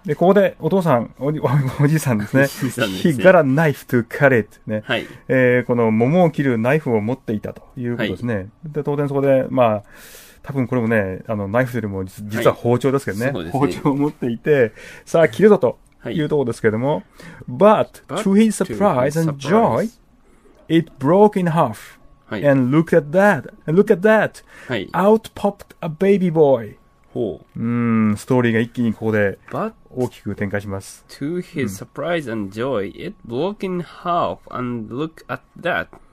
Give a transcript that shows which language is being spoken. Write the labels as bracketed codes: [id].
[ja] で、ここでお父さん、おじいさんですね。 [en] He got a knife to cut it. ね。 [ja] はい。この桃を切るナイフを持っていたということですね。はい、で、当然そこで、まあ、多分これもね、あの、ナイフよりも実は包丁ですけどね。はい、そうですね。包丁を持っていて、さあ切るぞというところですけども。 [en] はい、But to his surprise and joy, it broke in half. [ja] はい、 [en] And look at that! And look at that!、 [ja] はい、 [en] Out popped a baby boy! [ja] ほう。ストーリーが一気にここで大きく展開します。 [en] But、to his surprise and joy,、うん、it broke in half and look at that!